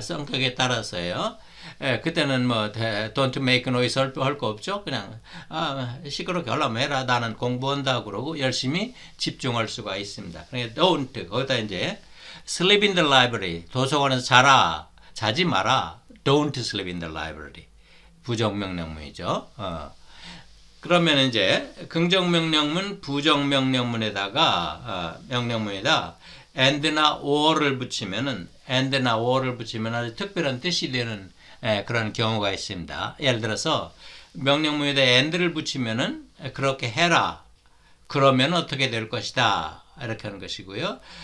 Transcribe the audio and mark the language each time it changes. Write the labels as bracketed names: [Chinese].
[Korean] 성격에 따라서요. 그때는 뭐 [English] don't make noise [Korean] 할 거 없죠. 그냥 시끄럽게 하려면 해라. 나는 공부한다 그러고 열심히 집중할 수가 있습니다. 그러니까 don't 거기다 이제 [English] sleep in the library [Korean] 도서관에서 자라 자지 마라. [English] Don't sleep in the library [Korean] 부정명령문이죠. 그러면 이제 긍정명령문 부정명령문에다가 명령문에다 and나 or를 붙이면은 and나 or를 붙이면 아주 특별한 뜻이 되는 그런 경우가 있습니다. 예를 들어서 명령문에다 and를 붙이면은 그렇게 해라 그러면 어떻게 될 것이다 이렇게 하는 것이고요.